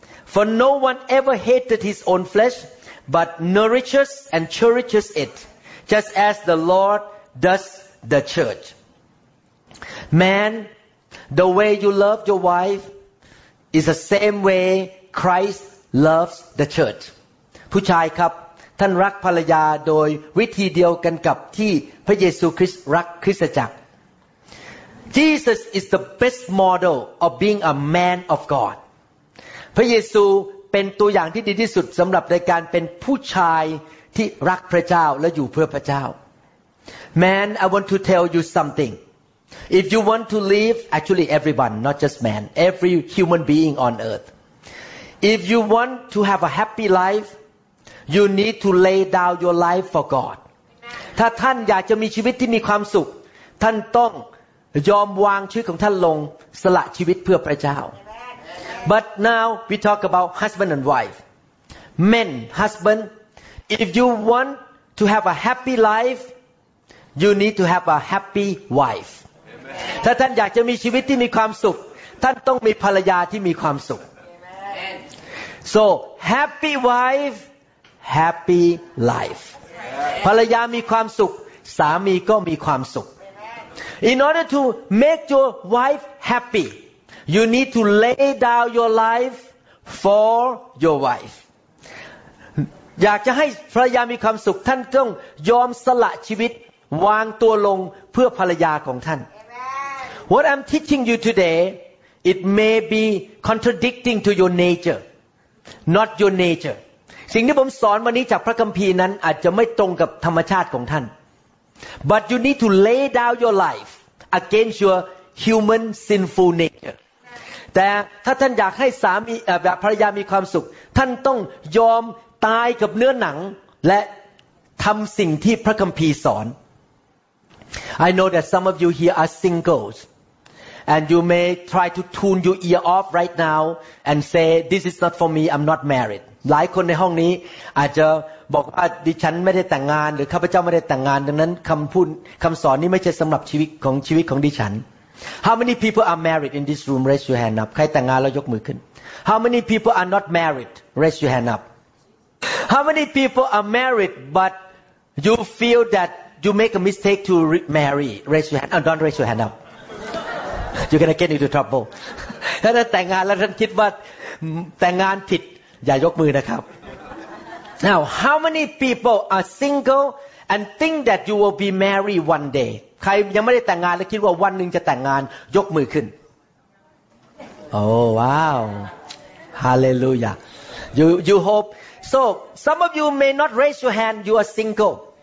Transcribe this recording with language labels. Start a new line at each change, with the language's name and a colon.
English: For no one ever hated his own flesh, but nourishes and cherishes it, just as the Lord does the church. Man, the way you love your wife is the same way Christ loves the church.
Thai: ผู้ชายครับท่านรักภรรยาโดยวิธีเดียวกันกับที่พระเยซูคริสต์รักคริสตจักร
English: Jesus is the best model of being a man of God
Thai: พระเยซูเป็นตัวอย่างที่ดีที่สุดสำหรับในการเป็นผู้ชายที่รักพระเจ้าและอยู่เพื่อพระเจ้า
English: Man I want to tell you something if you want to live actually everyone not just man every human being on earth if you want to have a happy lifeYou need to lay down your life for God.
Thai: ถ้าท่านอยากจะมีชีวิตที่มีความสุขท่านต้องยอมวางชีวิตของท่านลงสละชีวิตเพื่อพระเจ้า
English: But now we talk about husband and wife. Men, husband, if you want to have a happy life, you need to have a happy wife.
Thai: ถ้าท่านอยากจะมีชีวิตที่มีความสุขท่านต้องมีภรรยาที่มีความสุข
English: So happy wifeHappy life.
Thai: ภรรยามีความสุขสามีก็มีความสุข
English: In order to make your wife happy, you need to lay down your life for your wife.
Thai: อยากจะให้ภรรยามีความสุขท่านต้องยอมสละชีวิตวางตัวลงเพื่อภรรยาของท่าน
English: What I'm teaching you today it may be contradicting to your nature not your nature
Thai: สิ่งที่ผมสอนวันนี้จากพระคัมภีร์นั้นอาจจะไม่ตรงกับธรรมชาติของท่าน
English: But you need to lay down your life against your human sinful nature
Thai: แต่ถ้าท่านอยากให้สามีแบบภรรยามีความสุขท่านต้องยอมตายกับเนื้อหนังและทำสิ่งที่พระคัมภีร์สอน
English: I know that some of you here are singles and you may try to tune your ear off right now and say this is not for me I'm not married
Thai: หลายคนในห้องนี้อาจจะบอกว่าดิฉันไม่ได้แต่งงานหรือข้าพเจ้าไม่ได้แต่งงานดังนั้นคำพูดคำสอนนี้ไม่ใช่สำหรับชีวิตของดิฉัน
English: How many people are married in this room? Raise your hand up.
Thai: ใครแต่งงานแล้วยกมือขึ้น
English: How many people are not married? Raise your hand up. How many people are married but you feel that you make a mistake to remarry? Raise your hand. Don't raise your hand up. You're gonna get into trouble.
Thai: ถ้าท่านแต่งงานแล้วท่านคิดว่าแต่งงานผิดอย่ายกมือนะครับ
English: Now how many people are single and think that you will be married one day?
Thai: ใครยังไม่ได้แต่งงานแล้วคิดว่าวันหนึ่งจะแต่งงานยกมือขึ้นโอ้ว้าวฮาเลลูยา
English: you hope so some of you may not raise your hand you are single